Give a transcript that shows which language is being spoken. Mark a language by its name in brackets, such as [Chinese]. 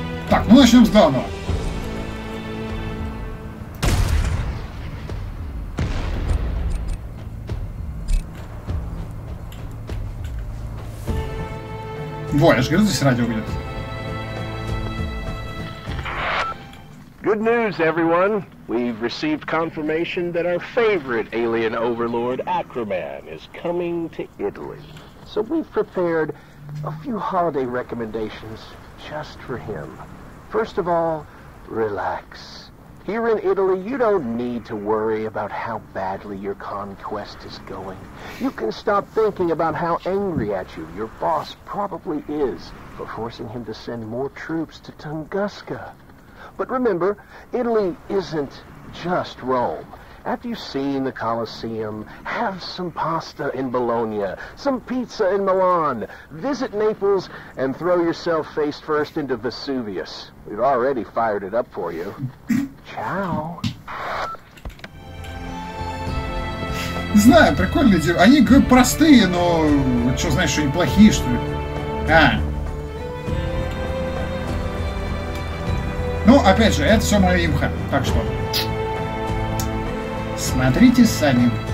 [Russian] Так, ну начнем с главного. Во, я же говорю, здесь радио будет. [English] Good news, everyone. We've received confirmation that our favorite alien overlord, Acroman, is coming to Italy. So we've prepared a few holiday recommendations just for him. First of all, relax. Here in Italy, you don't need to worry about how badly your conquest is going. You can stop thinking about how angry at you your boss probably is for forcing him to send more troops to Tunguska. But remember, Italy isn't just Rome. After you've seen the Colosseum, have some pasta in Bologna, some pizza in Milan, visit Naples, and throw yourself face first into Vesuvius. We've already fired it up for you. [Italian] Ciao. [Russian] Не знаю, прикольные дела. Они простые, но что знаешь, что они плохие, что ли? А. Ну, опять же, это все моя имха, так что смотрите сами.